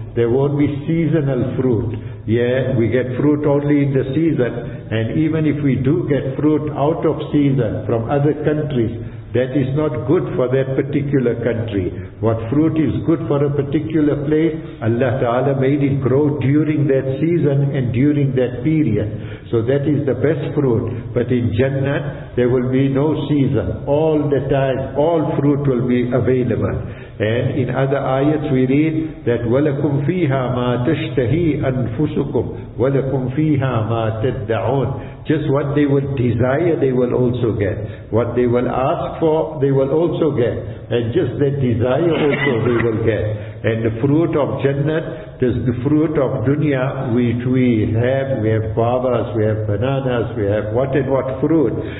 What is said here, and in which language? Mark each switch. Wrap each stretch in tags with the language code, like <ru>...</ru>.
<en>There won't be seasonal fruit. Yeah, we get fruit only in the season, and even if we do get fruit out of season from other countries, that is not good for that particular country. What fruit is good for a particular place, Allah Ta'ala made it grow during that season and during that period. So that is the best fruit. But in Jannah, there will be no season. All the time, all fruit will be available. And in other ayats we read that</en> <ar>وَلَكُمْ فِيهَا مَا تَشْتَهِي أَنفُسُكُمْ وَلَكُمْ فِيهَا مَا تَدَّعُونَ.</ar> <en>Just what they will desire, they will also get. What they will ask for, they will also get. And just that desire also they will get. And the fruit of Jannah, this is the fruit of dunya which we have guavas, we have bananas, we have what and what fruit.</en>